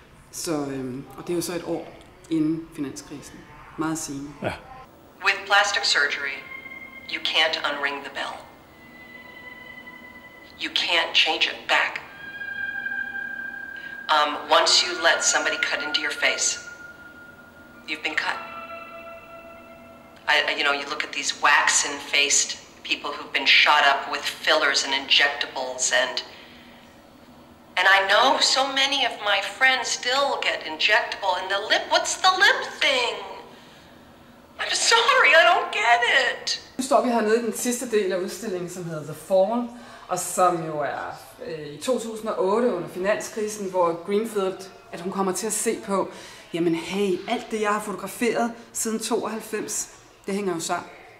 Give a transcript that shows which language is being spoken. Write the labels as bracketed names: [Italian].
[Danish] Så, og det er jo så et år inden finanskrisen. Meget sigende. Ja. [English] With plastic surgery, you can't unring the bell. You can't change it back. Once you let somebody cut into your face, you've been cut. You know, you look at these waxen-faced people who've been shot up with fillers and injectables, and I know so many of my friends still get injectable in the lip. What's the lip thing? I'm sorry, I don't get it. [Danish] Nu står vi hernede i den sidste del af udstillingen, som hedder The Fall, og som jo er i 2008 under finanskrisen, hvor Greenfield, at hun kommer til at se på, jamen hey, alt det jeg har fotograferet siden 92, det hænger jo sammen.